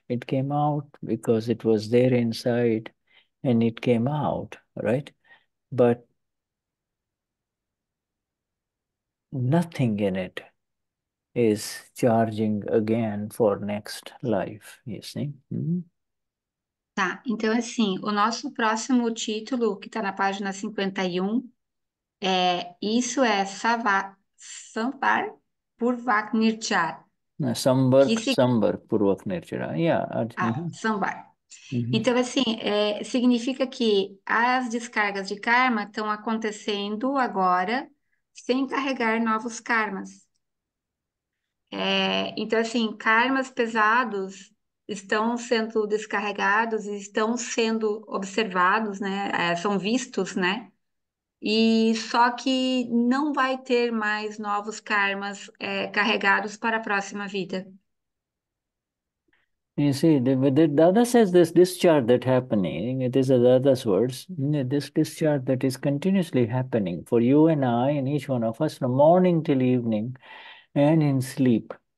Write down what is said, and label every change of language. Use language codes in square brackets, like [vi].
[en] It came out because it was there inside and it came out, right? But nothing in it is charging again for next life, you see? [pt] Tá, então assim, o nosso próximo título, que está na página 51, é isso é Sambar Purvaknirchar. Sambar Purvaknirchar. Sambar. Então, assim, significa que as descargas de karma estão acontecendo agora sem carregar novos karmas. Então, assim, karmas pesados estão sendo descarregados e estão sendo observados, né? São vistos, né? E só que não vai ter mais novos karmas carregados para a próxima vida. [en] You see, the Dada says this discharge that happening, it is a Dada's words, this discharge that is continuously happening for you and I and each one of us from morning till evening and in sleep.